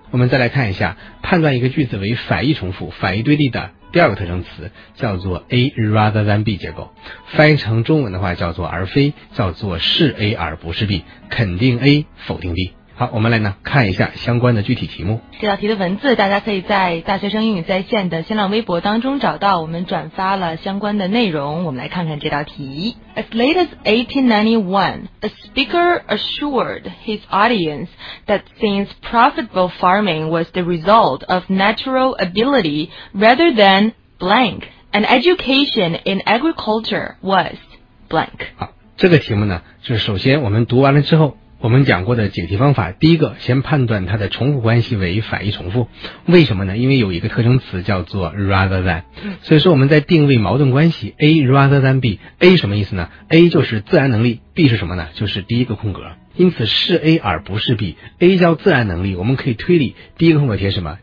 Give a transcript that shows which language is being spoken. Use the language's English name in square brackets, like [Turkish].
[Chinese] 我们再来看一下判断一个句子为反义重复反义对立的第二个特征词，叫做 A rather than B 结构，翻译成中文的话叫做而非，叫做是 A 而不是 B， 肯定 A 否定 B。好，我们来呢看一下相关的具体题目。这道题的文字大家可以在大学生英语在线的新浪微博当中找到，我们转发了相关的内容，我们来看看这道题。 [English] As late as 1891, a speaker assured his audience that since profitable farming was the result of natural ability rather than blank, an education in agriculture was blank. [Chinese] 好，这个题目呢，就是首先我们读完了之后，我们讲过的解题方法，第一个先判断它的重复关系为反义重复。为什么呢？因为有一个特征词叫做 rather than。所以说我们在定位矛盾关系 A rather than B， A 什么意思呢？ A 就是自然能力， B 是什么呢？就是第一个空格。因此是 A 而不是 B， A 叫自然能力，我们可以推理第一个空格填什么？